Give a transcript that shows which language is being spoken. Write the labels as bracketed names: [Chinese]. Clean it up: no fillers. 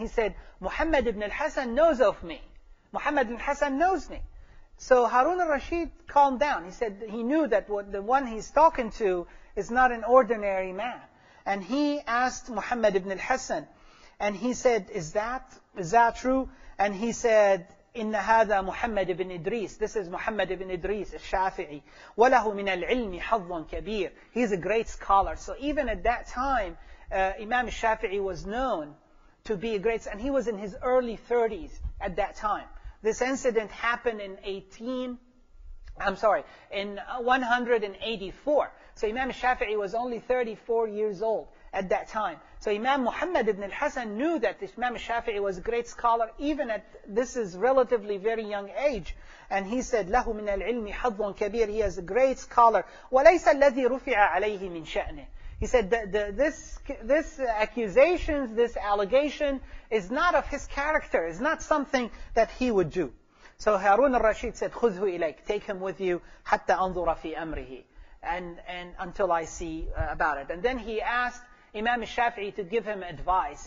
[English] He said, Muhammad ibn al-Hasan knows of me. Muhammad ibn al-Hasan knows me. So Harun al-Rashid calmed down. He said he knew that the one he's talking to is not an ordinary man. And he asked Muhammad ibn al-Hasan, and he said, is that true? And he said, [Arabic] إِنَّ هَذَا مُحَمَّدِ بْنِ إِدْرِيسِ. [English] This is Muhammad ibn Idris, al-Shafi'i. [Arabic] وَلَهُ مِنَ الْعِلْمِ حَظٌّ كَبِيرٌ. [English] He's a great scholar. So even at that time, Imam al-Shafi'i was known to be a great, and he was in his early 30s at that time. This incident happened in 184. So Imam Shafi'i was only 34 years old at that time. So Imam Muhammad ibn al-Hasan knew that Imam Shafi'i was a great scholar, even at this is relatively very young age. And he said, [Arabic] لَهُ مِنَ الْعِلْمِ حَظٌّ كَبِيرٌ. [English] He is a great scholar. [Arabic] وَلَيْسَ الَّذِي رُفِعَ عَلَيْهِ مِنْ شَأْنِهِ. [English] He said, this accusation, this allegation is not of his character. It's not something that he would do. So Harun al-Rashid said, [Arabic] خُذْهُ إِلَيْكَ. [English] Take him with you, [Arabic] حَتَّى أَنظُرَ فِي أَمْرِهِ. [English] And until I see about it. And then he asked Imam al-Shafi'i to give him advice.